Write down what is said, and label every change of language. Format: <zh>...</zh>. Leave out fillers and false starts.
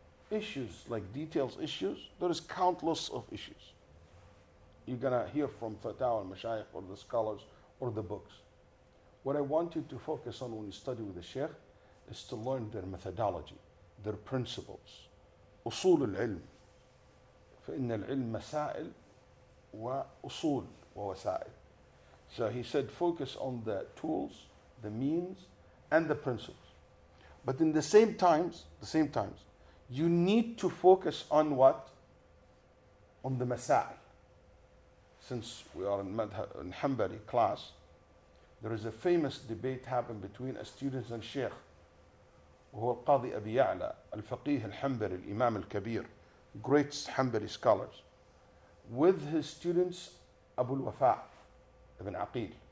<en>Issues, like details, issues, there is countless of issues. You're going to hear from fatawa and mashayikh, or the scholars, or the books. What I want you to focus on when you study with the Sheikh is to learn their methodology, their principles.</en> <ar>أصول العلم. فإن العلم مسائل وأصول ووسائل.</ar> <en>So he said, focus on the tools, the means, and the principles. But in the same times, you need to focus on what? On the مسائل. Since we are in Hanbali class, there is a famous debate happened between a student and Sheikh, who is Qadi Abi Ya'la, Al-Faqih Al-Hanbali, Imam Al-Kabir, great Hanbali scholars, with his students, Abu Al-Wafa' Ibn Aqil.</en>